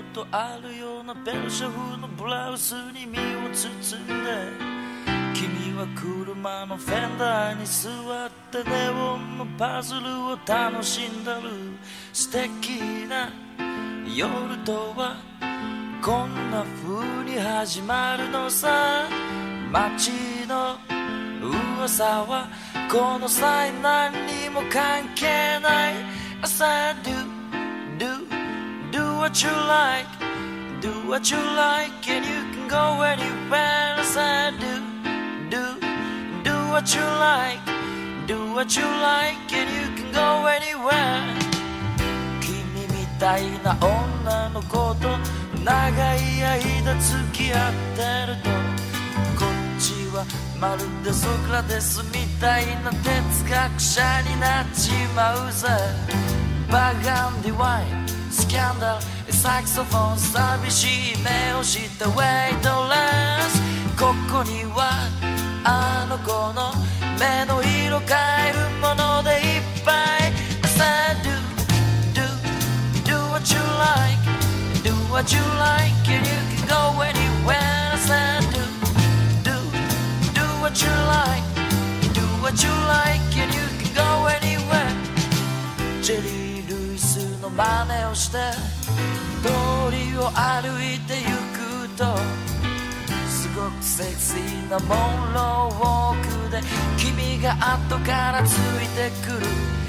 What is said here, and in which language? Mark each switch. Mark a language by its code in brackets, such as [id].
[ja] あるようなペルシャ風のブラウスに身を包んで、君は車のフェンダーに座ってネオンのパズルを楽しんだる。素敵な夜とはこんな風に始まるのさ。街の噂はこの際何にも関係ない。 [en] I said do do do what you likeDo what you like and you can go anywhere. I said do, do, do what you like. Do what you like and you can go anywhere. [ja] 君みたいな女の子と長い間付き合ってると、こっちはまるでソクラテスみたいな哲学者になっちまうぜ。バガンディワイン、スキャンダル、サクソフォン、寂しい目をしたウェイトレス。ここにはあの子の目の色変えるものでいっぱい。 [en] I said do, do, do what you like. Do what you like and you can go anywhere. I said do, do, do what you like. Do what you like and you can go anywhere. [ja] ジェリー・ルイスの真似をして通りを歩いてゆくと、すごくセクシーなモンローウォークで君が後からついてくる。